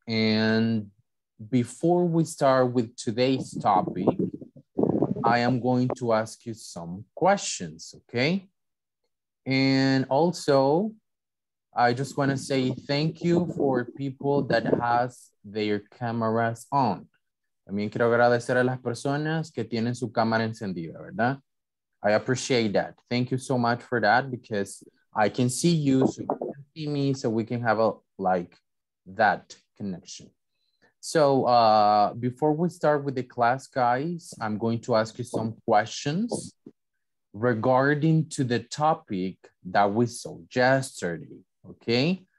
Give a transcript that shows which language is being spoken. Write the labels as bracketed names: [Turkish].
[English] And before we start with today's topic, I am going to ask you some questions, okay? And also, I just wanna say thank you for people that has their cameras on. [Spanish] También quiero agradecer a las personas que tienen su cámara encendida, ¿verdad? [English] I appreciate that. Thank you so much for that, because I can see you, so you can see me, so we can have a like that connection. So before we start with the class, guys, I'm going to ask you some questions regarding to the topic that we saw yesterday, okay?